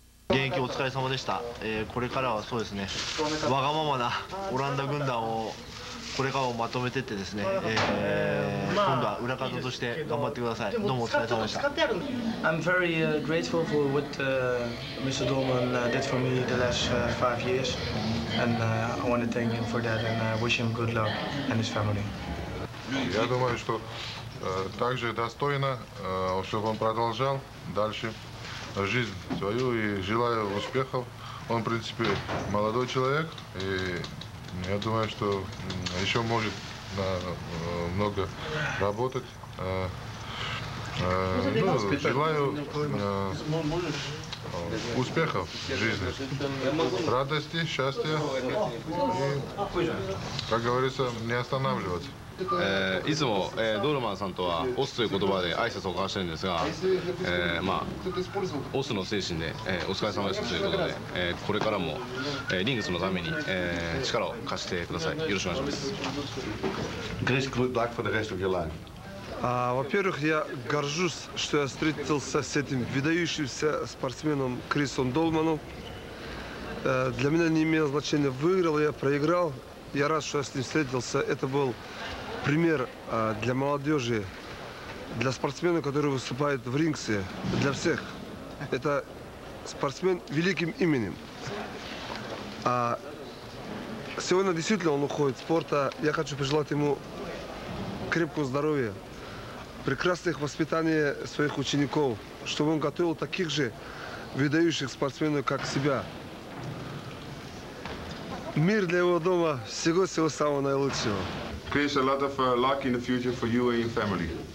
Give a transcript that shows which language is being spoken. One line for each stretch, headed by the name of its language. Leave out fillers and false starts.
Japanese: お疲れ様でした、これからはそうですね、わがままなオランダ軍団をこれからもまとめていってですね、今度は裏方として頑張ってください。どうもお疲れ様でした。
English: I'm very grateful for what Mr. Dolman did for me the last 5 years and I want to thank him for that and wish him good luck and his family.
Russian: Я думаю, что также достойно, чтобы он продолжал дальше жизнь свою и желаю успехов. Он, в принципе, молодой человек, и я думаю, что еще может надо много работать. Ну, желаю успехов в жизни, радости, счастья и, как говорится, не останавливаться.
Japanese: いつも、ドルマンさんとはオスという言葉で挨拶を交わしているんですが、まあ、オスの精神で、お疲れ様でしたということで、これからも、リングスのために、力を貸してください。よろしくお願いします。
English: Great good luck for the rest of your life.
Russian: Во-первых, я горжусь, что я встретился с этим выдающимся спортсменом Крисом Долманом. Для меня не имело значения, выиграл я, проиграл. Я рад, что я с ним встретился. Это был пример для молодежи, для спортсмена, который выступает в рингсе, для всех. Это спортсмен великим именем. А сегодня действительно он уходит из спорта. Я хочу пожелать ему крепкого здоровья, прекрасных воспитания своих учеников, чтобы он готовил таких же выдающих спортсменов, как себя. Мир для его дома, всего-всего самого наилучшего.
English: Chris, a lot of luck in the future for you and your family.